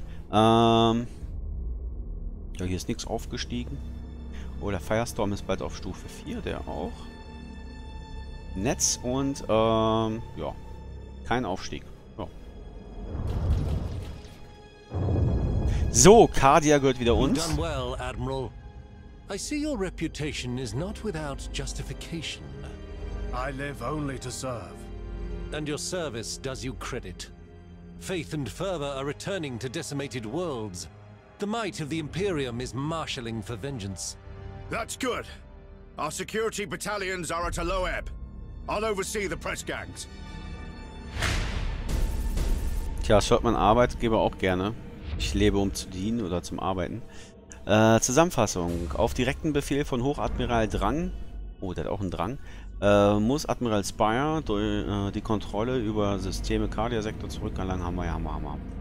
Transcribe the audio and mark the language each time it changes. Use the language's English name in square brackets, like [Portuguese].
[German] Ja, hier ist nichts aufgestiegen. Oh, der Firestorm ist bald auf Stufe 4, der auch. Netz und, ja, kein Aufstieg. Ja. So, Cardia gehört wieder uns. [English] You've done well, Admiral. I see your reputation is not without justification. I live only to serve. And your service does you credit. Faith and fervor are returning to decimated worlds. The might of the Imperium is marshalling for vengeance. That's good. Our security battalions are at a low ebb. I'll oversee the press gangs. [German] Tja, das hört mein Arbeitgeber auch gerne. Ich lebe, um zu dienen oder zum Arbeiten. Zusammenfassung. Auf direkten Befehl von Hochadmiral Drang. Oh, der hat auch einen Drang. Muss Admiral Spire die Kontrolle über Systeme Cardia-Sektor zurückerlangen, haben wir.